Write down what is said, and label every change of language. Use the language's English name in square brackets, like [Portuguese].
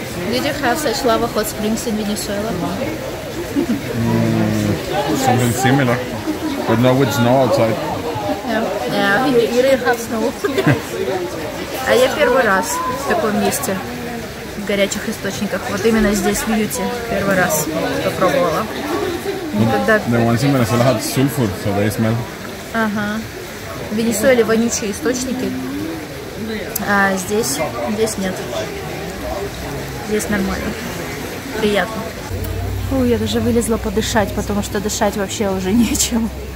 [English] Did you have such lava hot springs in Venezuela? Something similar, but now with snow outside. Yeah, you didn't have snow. [Russian] А я первый раз в таком месте, в горячих источниках. Вот именно здесь, в Юте, первый раз попробовала. Никогда... [English] The ones in Venezuela had sulfur, so they smell. [Russian] Ага. В Венесуэле вонючие источники. А здесь? Здесь нет. Здесь нормально. Приятно. Фу, я даже вылезла подышать, потому что дышать вообще уже нечем.